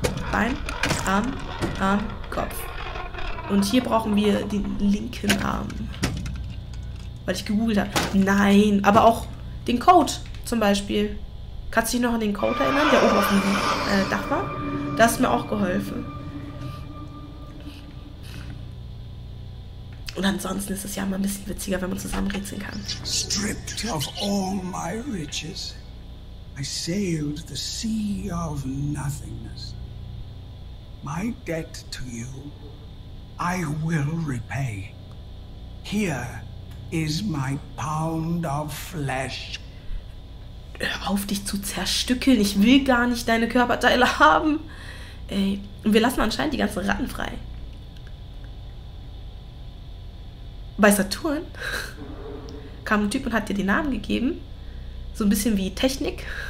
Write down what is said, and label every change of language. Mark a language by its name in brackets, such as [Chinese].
[German] Bein, Arm, Arm, Kopf. Und hier brauchen wir den linken Arm. Weil ich gegoogelt habe. Nein, aber auch den Code zum Beispiel. Kannst du dich noch an den Code erinnern, der oben auf dem Dach war? Das hat mir auch geholfen. Und ansonsten ist es ja immer ein bisschen witziger, wenn man zusammen rätseln kann. [English] Stripped of all my riches, I sailed the sea of nothingness. My debt to you, I will repay. Here is my pound of flesh. [German] Hör auf, dich zu zerstückeln. Ich will gar nicht deine Körperteile haben. Ey, und wir lassen anscheinend die ganzen Ratten frei. Bei Saturn kam ein Typ und hat dir den Namen gegeben. So ein bisschen wie Technik.